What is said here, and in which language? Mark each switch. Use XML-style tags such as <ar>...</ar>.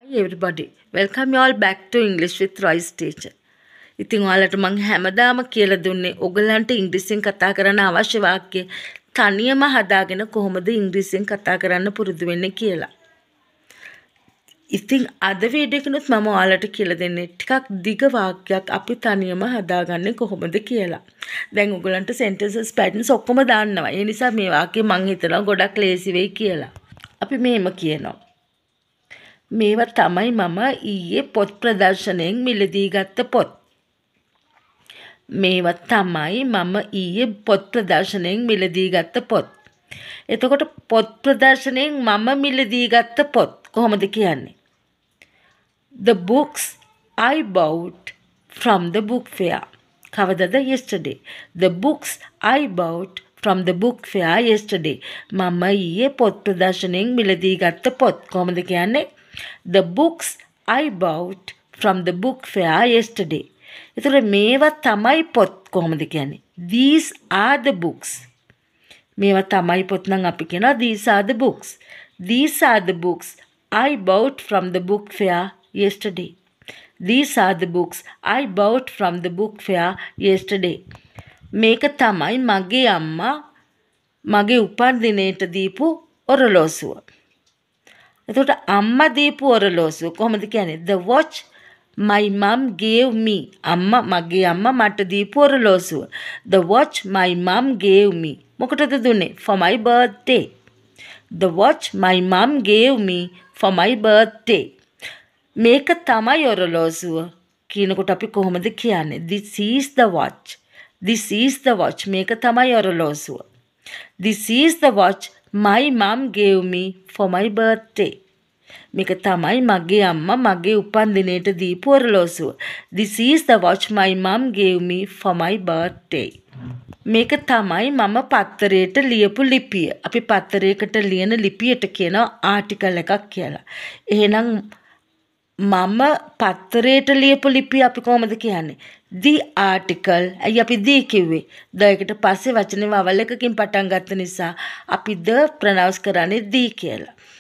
<en>Hi everybody, welcome you all back to English with Royce teacher.</en> <si>ඉතින් ඔයාලට මං හැමදාම කියලා දුන්නේ ඔගලන්ට ඉංග්‍රීසියෙන් කතා කරන්න අවශ්‍ය වාක්‍ය තනියම හදාගෙන කොහොමද ඉංග්‍රීසියෙන් කතා කරන්න පුරුදු වෙන්නේ කියලා. ඉතින් අද වීඩියෝ එකනොත් මම ඔයාලට කියලා දෙන්නේ ටිකක් දිග වාක්‍යයක් අපි තනියම හදාගන්නේ කොහොමද කියලා. දැන් ඔගලන්ට sentences patterns ඔක්කොම දන්නවා. ඒ නිසා මේ වාක්‍ය මං හිතනවා ගොඩක් ලේසි වෙයි කියලා. අපි මෙහෙම කියනවා. මේව තමයි මම ඊයේ පොත් ප්‍රදර්ශනයෙන් මිලදී ගත්ත පොත්. මේව තමයි මම ඊයේ පොත් ප්‍රදර්ශනයෙන් මිලදී ගත්ත පොත්. එතකොට පොත් ප්‍රදර්ශනයෙන් මම මිලදී ගත්ත පොත් කොහොමද කියන්නේ?</si> <en>The books I bought from the book fair.</en> <si>කවදද?</si> <en>Yesterday. The books I bought from the book fair yesterday.</en> <si>මම ඊයේ පොත් ප්‍රදර්ශනයෙන් මිලදී ගත්ත පොත් කොහොමද කියන්නේ?</si> <en>The books I bought from the book fair yesterday.</en> <si>ඒතර මේව තමයි පොත් කොහොමද කියන්නේ?</si> <en>These are the books.</en> <si>මේව තමයි පොත් නම් අපි කියනවා</si> <en>these are the books. These are the books I bought from the book fair yesterday. These are the books I bought from the book fair yesterday.</en> <si>මේක තමයි මගේ අම්මා මගේ උපන්දිනයට දීපු ඔරලෝසුව. එතකොට අම්මා දීපු ඔරලෝසුව කොහොමද කියන්නේ?</si> <en>The watch my mom gave me.</en> <si>අම්මා මගේ අම්මා මට දීපු ඔරලෝසුව.</si> <en>The watch my mom gave me.</en> <si>මොකටද දුන්නේ?</si> <en>For my birthday. The watch my mom gave me for my birthday.</en> <si>මේක තමයි ඔරලෝසුව කියනකොට අපි කොහොමද කියන්නේ?</si> <en>This is the watch. This is the watch.</en> <si>මේක තමයි ඔරලෝසුව.</si> <en>This is the watch my mom gave me for my birthday.</en> <si>මේක තමයි මගේ අම්මා මගේ උපන්දිනයට දීපු ඔරලෝසුව.</si> <en>This is the watch my mom gave me for my birthday.</en> <si>මේක තමයි මම පත්තරේට ලියපු ලිපිය. අපි පත්තරයකට ලියන ලිපියට කියනවා ආටිකල් එකක් කියලා. එහෙනම් මම පත්තරේට ලියපු ලිපිය අපි කොහොමද කියන්නේ?</si> <en>The article.</en> <si>ඇයි අපි the කිව්වේ? The එකට පස්සේ වචනේ වවල් එකකින් පටන් ගත්ත නිසා අපි the pronounce කරන්නේ the කියලා.</si>